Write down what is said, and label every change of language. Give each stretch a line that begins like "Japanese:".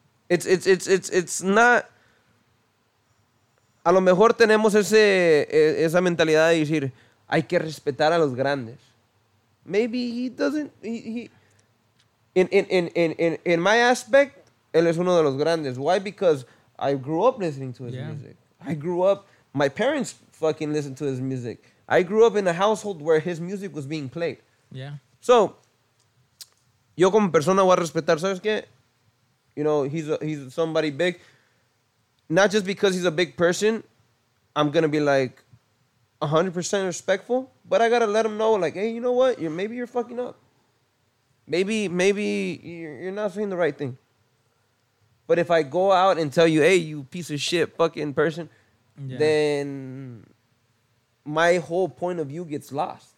English: It's not.
Spanish: A lo mejor tenemos esa mentalidad de decir, hay que respetar a los grandes.
English: Maybe he doesn't. In my aspect,
Spanish: él es uno de los grandes.
English: Why? Because I grew up listening to his music. I grew up. My parents fucking listened to his music. I grew up in a household where his music was being played. Yeah. So,
Spanish: yo como persona voy a respetar, ¿sabes qué?
English: You know, he's somebody big. Not just because he's a big person, I'm going to be like 100% respectful, but I got to let him know, like, hey, you know what? Maybe you're fucking up. Maybe you're not saying the right thing. But if I go out and tell you, hey, you piece of shit fucking person, then my whole point of view gets lost.